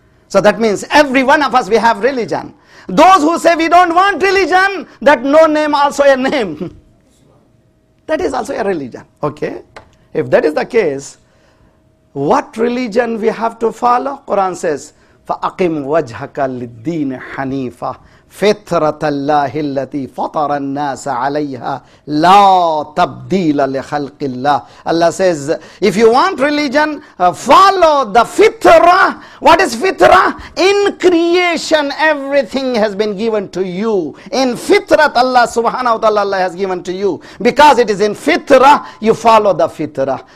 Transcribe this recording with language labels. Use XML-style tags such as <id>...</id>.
<en>So that means every one of us, we have religion. Those who say we don't want religion, that no name also a name. That is also a religion. Okay? If that is the case, what religion we have to follow? Quran says,</en> <ar>فأقم وجهك للدين حنيفة فطرة الله التي فطر الناس عليها لا تبديل لخلق الله.</ar> <en>Allah says, if you want religion, follow the fitra. What is fitra? In creation, everything has been given to you. In fitrat, Allah subhanahu wa ta'ala, Allah has given to you. Because it is in fitra, you follow the fitra.</en>